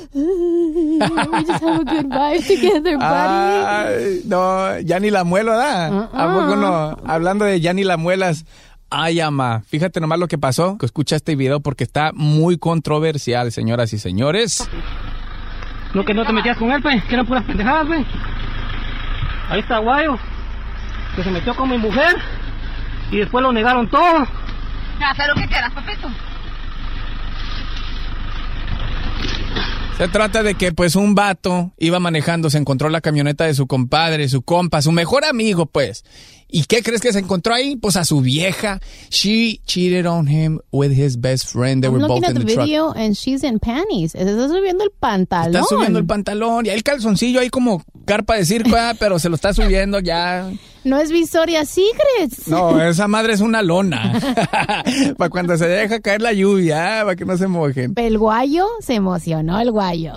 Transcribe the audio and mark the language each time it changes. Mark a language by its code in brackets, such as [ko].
[en] We just have a good vibe together, buddy. [es] No, ya ni la muelo, ¿verdad? Uh-uh. ¿A poco no? Hablando de ya ni la muelas, ay, ama, fíjate nomás lo que pasó, que escucha este video porque está muy controversial, señoras y señores. No, que no te metías con él, pues, que eran puras pendejadas, pues. Ahí está Guayo, que se metió con mi mujer y después lo negaron todo. Ya, haz lo que quieras, papito. Se trata de que, pues, un vato iba manejando, se encontró la camioneta de su compadre, su compa, su mejor amigo, pues. ¿Y qué crees que se encontró ahí? Pues a su vieja. [en] She cheated on him with his best friend. They were both in the truck. I'm looking at the video and she's in panties. [es] Está subiendo el pantalón. Está subiendo el pantalón. Y hay el calzoncillo ahí como carpa de circo, pero se lo está subiendo ya. No es Victoria's Secret. No, esa madre es una lona. Para cuando se deja caer la lluvia, para que no se mojen. El guayo se emocionó, el guayo.